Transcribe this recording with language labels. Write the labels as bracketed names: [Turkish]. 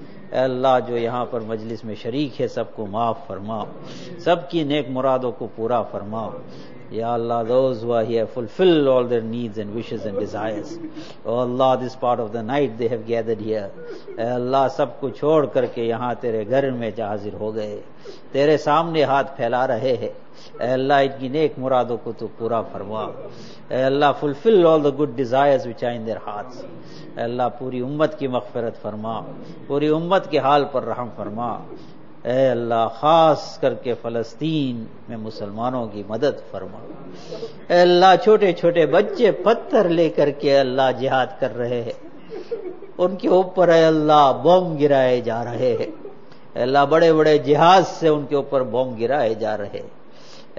[Urdu] اے اللہ, جو یہاں پر مجلس میں شریک ہے سب کو معاف فرما, سب کی نیک مرادوں کو پورا فرما. [English] یا اللہ, those who are here fulfill all their needs and wishes and desires. Oh Allah, this part of the night they have gathered here. [Urdu] اے اللہ, سب کو چھوڑ کر کے یہاں تیرے گھر میں حاضر ہو گئے, تیرے سامنے ہاتھ پھیلا رہے ہیں. اے اللہ, ان کی نیک مرادوں کو تو پورا فرما. [English] اے اللہ, fulfill all the good desires which are in their hearts. [Urdu] اے اللہ, پوری امت کی مغفرت فرما, پوری امت کے حال پر رحم فرما. اے اللہ, خاص کر کے فلسطین میں مسلمانوں کی مدد فرما. اے اللہ, چھوٹے چھوٹے بچے پتھر لے کر کے اللہ جہاد کر رہے ہیں, ان کے اوپر اے اللہ بم گرائے جا رہے ہیں. اے اللہ, بڑے بڑے جہاز سے ان کے اوپر بم گرائے جا رہے ہیں.